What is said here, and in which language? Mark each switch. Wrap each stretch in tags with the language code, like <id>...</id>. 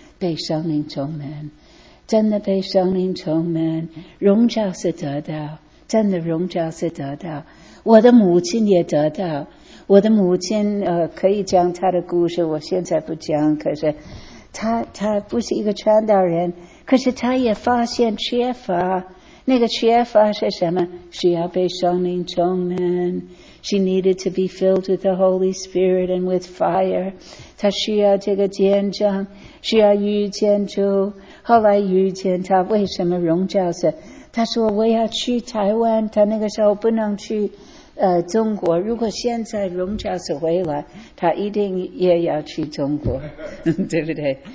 <zh>被圣灵充满，真的被圣灵充满，荣耀是得到，真的荣耀是得到，我的母亲也得到。我的母亲可以讲她的故事，我现在不讲，可是她不是一个传道人，可是她也发现缺乏，那个缺乏是什么？需要被圣灵充满。</zh> <en>She needed to be filled with the Holy Spirit and with fire.</en> <zh>她需要这个见证，需要遇见主。后来遇见她，为什么荣教授？她说我要去台湾，她那个时候不能去中国，如果现在荣教授回来，他一定也要去中国，对不对？</zh>